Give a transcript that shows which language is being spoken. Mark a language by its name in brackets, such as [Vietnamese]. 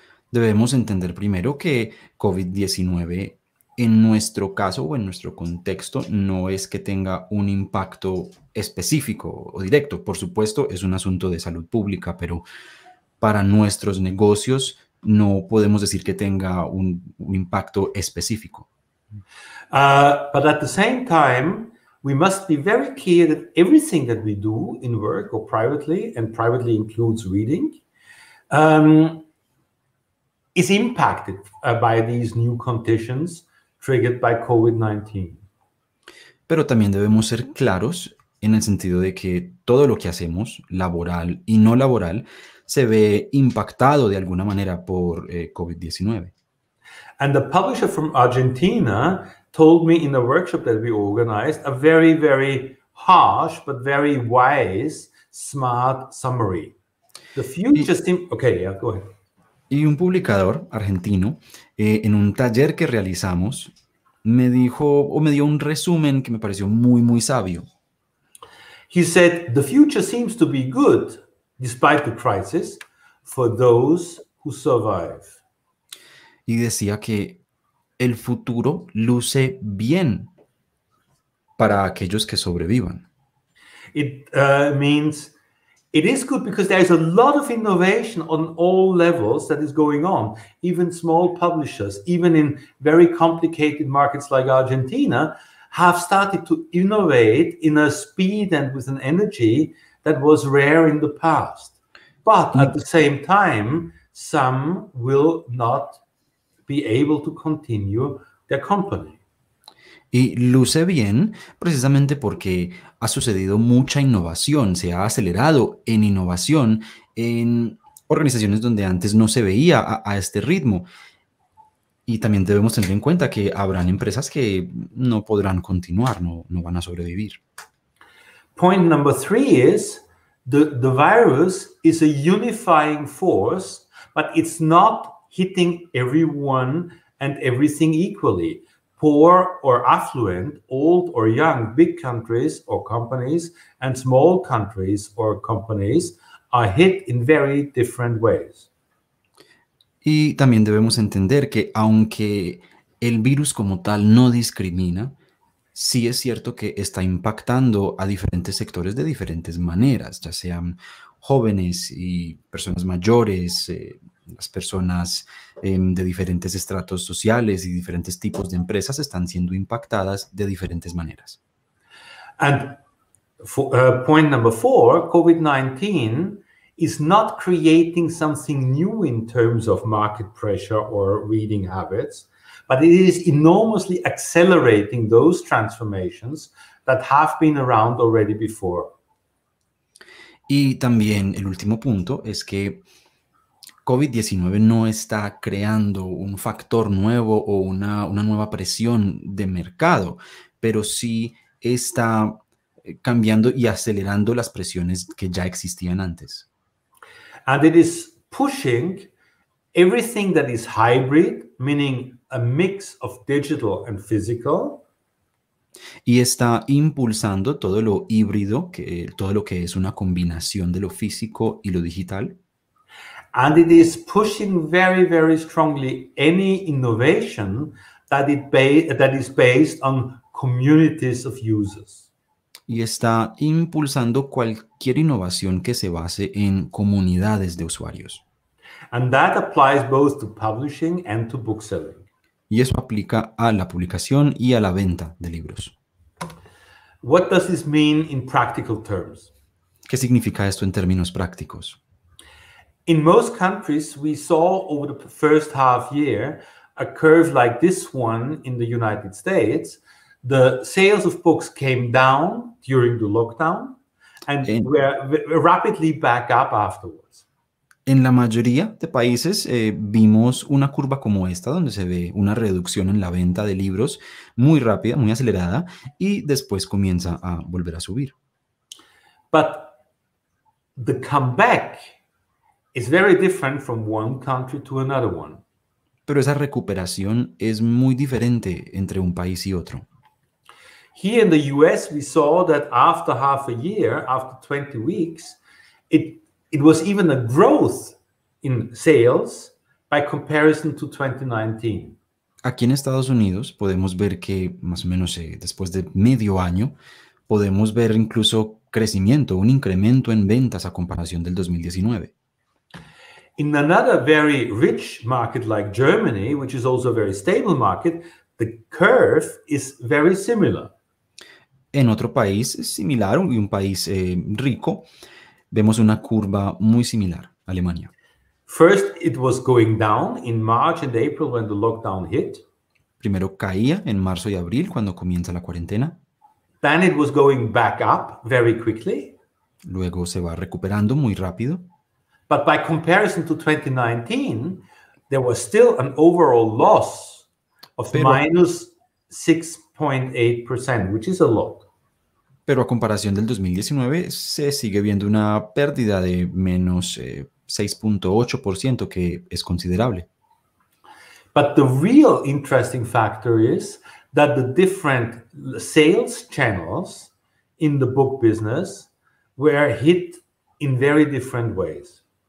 [Spanish] Debemos entender primero que COVID-19 en nuestro caso o en nuestro contexto no es que tenga un impacto específico o directo. Por supuesto, es un asunto de salud pública, pero para nuestros negocios no podemos decir que tenga un impacto específico. [English] But at the same time, we must be very clear that everything that we do in work or privately, and privately includes reading, is impacted by these new conditions triggered by COVID-19. [Spanish] Pero también debemos ser claros en el sentido de que todo lo que hacemos, laboral y no laboral, se ve impactado de alguna manera por COVID-19. [English] And the publisher from Argentina told me in a workshop that we organized a very, very harsh but very wise, smart summary. The future okay, yeah, go ahead. [Spanish] Y un publicador argentino, en un taller que realizamos, me dijo o me dio un resumen que me pareció muy, muy sabio. [English] He said, the future seems to be good, despite the crisis, for those who survive. [Spanish] Y decía que el futuro luce bien para aquellos que sobrevivan. [English] It means... It is good because there is a lot of innovation on all levels that is going on. Even small publishers, even in very complicated markets like Argentina, have started to innovate in a speed and with an energy that was rare in the past. But at the same time, some will not be able to continue their company. [Spanish] Y luce bien precisamente porque ha sucedido mucha innovación, se ha acelerado en innovación en organizaciones donde antes no se veía a este ritmo. Y también debemos tener en cuenta que habrán empresas que no podrán continuar, no van a sobrevivir. [English] Point number 3 is the virus is a unifying force, but it's not hitting everyone and everything equally. Poor or affluent, old or young, big countries or companies and small countries or companies are hit in very different ways. [Spanish] Y también debemos entender que aunque el virus como tal no discrimina, sí es cierto que está impactando a diferentes sectores de diferentes maneras, ya sean jóvenes y personas mayores, las personas de diferentes estratos sociales y diferentes tipos de empresas están siendo impactadas de diferentes maneras. [English] And for, point number four, COVID-19 is not creating something new in terms of market pressure or reading habits, but it is enormously accelerating those transformations that have been around already before. [Spanish] Y también el último punto es que COVID-19 no está creando un factor nuevo o una nueva presión de mercado, pero sí está cambiando y acelerando las presiones que ya existían antes. [English] And it is pushing everything that is hybrid, meaning a mix of digital and physical. [Spanish] Y está impulsando todo lo híbrido, que, todo lo que es una combinación de lo físico y lo digital. [English] And it is pushing very, very strongly any innovation that it that is based on communities of users. [Spanish] Y está impulsando cualquier innovación que se base en comunidades de usuarios. [English] And that applies both to publishing and to bookselling. [Spanish] Y eso aplica a la publicación y a la venta de libros. [English] What does this mean in practical terms? [Spanish] ¿Qué significa esto en términos prácticos? [English] In most countries, we saw over the first half year a curve like this one in the United States. The sales of books came down during the lockdown and were rapidly back up afterwards. [Spanish] En la mayoría de países vimos una curva como esta, donde se ve una reducción en la venta de libros muy rápida, muy acelerada, y después comienza a volver a subir. [English] But the comeback is very different from one country to another one. [Spanish] Pero esa recuperación es muy diferente entre un país y otro. [English] Here in the US, we saw that after half a year, after 20 weeks, it was even a growth in sales by comparison to 2019. [Spanish] Aquí en Estados Unidos podemos ver que más o menos después de medio año podemos ver incluso crecimiento, un incremento en ventas a comparación del 2019. [English] In another very rich market like Germany, which is also a very stable market, the curve is very similar. [Spanish] En otro país similar, un país rico, vemos una curva muy similar, Alemania. [English] First, it was going down in March and April when the lockdown hit. [Spanish] Primero caía en marzo y abril cuando comienza la cuarentena. [English] Then it was going back up very quickly. [Spanish] Luego se va recuperando muy rápido. [English] But by comparison to 2019, there was still an overall loss of minus 6.8%, which is a lot. [Spanish] Pero a comparación del 2019, se sigue viendo una pérdida de menos 6.8%, que es considerable. [English] But the real interesting factor is that the different sales channels in the book business were hit in very different ways.